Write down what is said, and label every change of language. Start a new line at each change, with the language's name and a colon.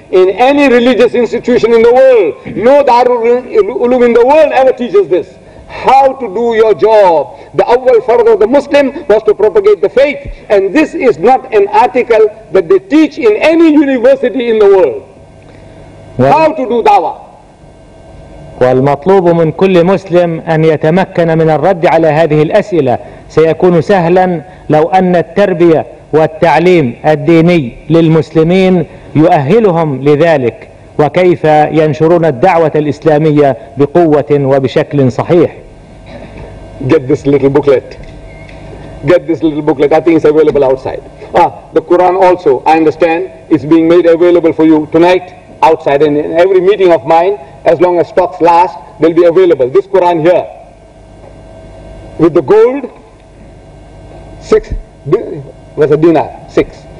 English: In any religious institution in the world, no Darul Uloom in the world ever teaches this. How to do your job. The awwal farz of the Muslim was to propagate the faith. And this is not an article that they teach in any university in the world. How to do da'wah.
Arabic: والمطلوب من كل مسلم أن يتمكن من الرد على هذه الأسئلة. سيكون سهلا لو أن التربية والتعليم الديني للمسلمين يؤهلهم لذلك وكيف ينشرون الدعوة الإسلامية بقوة وبشكل صحيح.
English: Get this little booklet. Get this little booklet. I think it's available outside. The Quran also, I understand, is being made available for you tonight outside. And in every meeting of mine, as long as stocks last, they'll be available. This Quran here, with the gold, six, was a dinar, six.